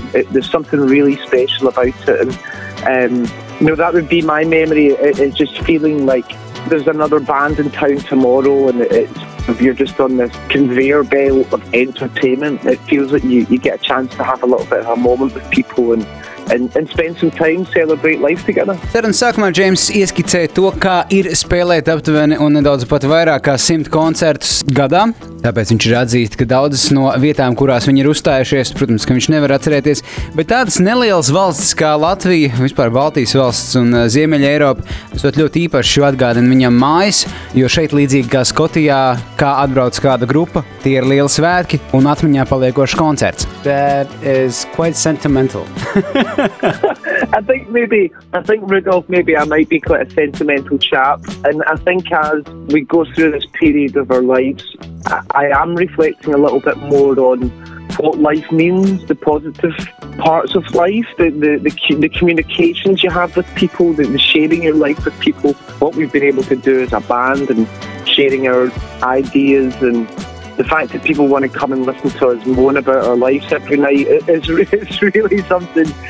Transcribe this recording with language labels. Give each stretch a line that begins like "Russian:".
English: There's something really special about it. And that would be my memory. It's just feeling like there's another band in town tomorrow, and you're just on this conveyor belt of entertainment. It feels like you get a chance to have a little bit of a moment with people and spend some time, celebrate life together.
Latvian: Tad un sākumā James ieskicēja to, kā ir spēlēt aptuveni un nedaudz pat vairāk kā 100 koncertus gadā. Tāpēc viņš ir atzīst, ka daudzas no vietām, kurās viņi ir uzstājušies, protams, ka viņš nevar atcerēties, bet tādas nelielas valstis kā Latvija, vispār Baltijas valsts un Ziemeļa Eiropa, es vēl ļoti īpaši šo atgādinu viņam mājas, jo šeit līdzīgi kā Skotijā, kā atbrauc kāda grupa, tie ir lieli svētki un atmiņā paliekošs koncerts.
English: That is quite sentimental. I think Rudolf, maybe I might be quite a sentimental chap, and I think as we go through this period of our lives, I am reflecting a little bit more on what life means, the positive parts of life, the communications you have with people, the sharing your life with people, what we've been able to do as a band and sharing our ideas, and the fact that people want to come and listen to us moan about our lives every night is really something.